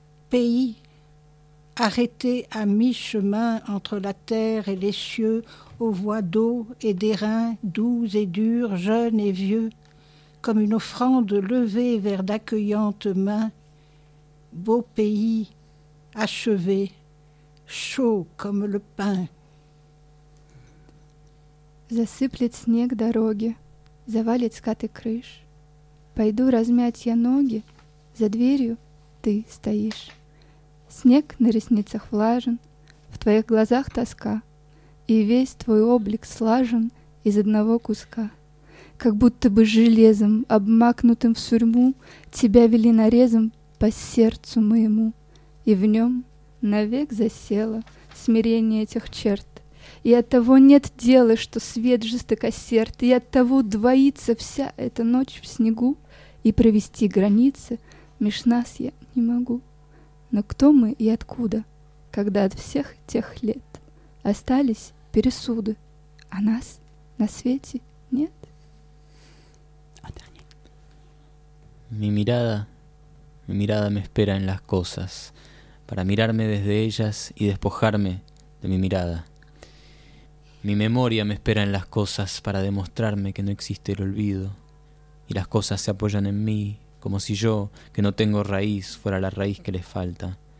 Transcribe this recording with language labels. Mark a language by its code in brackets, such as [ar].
[fr] Pays, arrêté à mi-chemin entre la terre et les cieux, aux voies d'eau et d'airain, doux et durs, jeunes et vieux, comme une offrande levée vers d'accueillantes mains. Beau pays, achevé, chaud comme le pain. [ru] Засыплет снег дороги, завалит скаты крыш. Пойду размять я ноги, за дверью ты стоишь. Снег на ресницах влажен, в твоих глазах тоска, и весь твой облик слажен из одного куска. Как будто бы железом, обмакнутым в сурьму, тебя вели нарезом по сердцу моему. И в нем навек засело смирение этих черт. И оттого нет дела, что свет жестокосерд, и оттого двоится вся эта ночь в снегу, и провести границы меж нас я не могу. Но кто мы и откуда, когда от всех тех лет остались пересуды, а нас на свете нет? [es] Mi mirada me espera en las cosas, para mirarme desde ellas y despojarme de mi mirada. Mi memoria me espera en las cosas para demostrarme que no existe el olvido. Y las cosas se apoyan en mí, como si yo, que no tengo raíz, fuera la raíz que les falta.